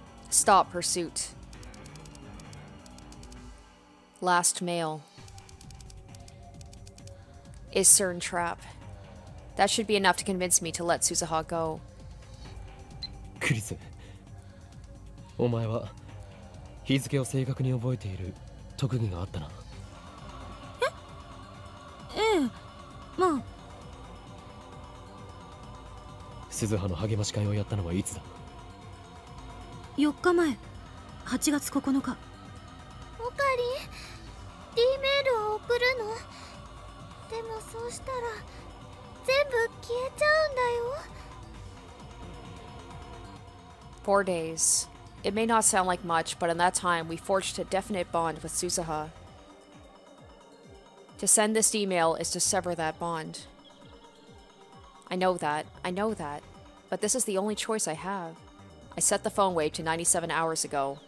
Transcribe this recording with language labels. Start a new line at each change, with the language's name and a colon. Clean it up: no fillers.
English: Stop pursuit. Last mail. Is CERN trap? That should be enough to convince me to let Suzuha go.
Japanese: Chris, お前は日付を正確に覚えている特技があったな。え？ええ、まあ。 Suzuha の励まし会をやったのはいつだ？ 4日前、8月9日。オカリン、D メールを送るの？でもそうしたら、全部消えちゃうんだよ。
English: 4 days. It may not sound like much, but in that time, we forged a definite bond with Suzuha. To send this email is to sever that bond. I know that. But this is the only choice I have. I set the phone wave to 97 hours ago.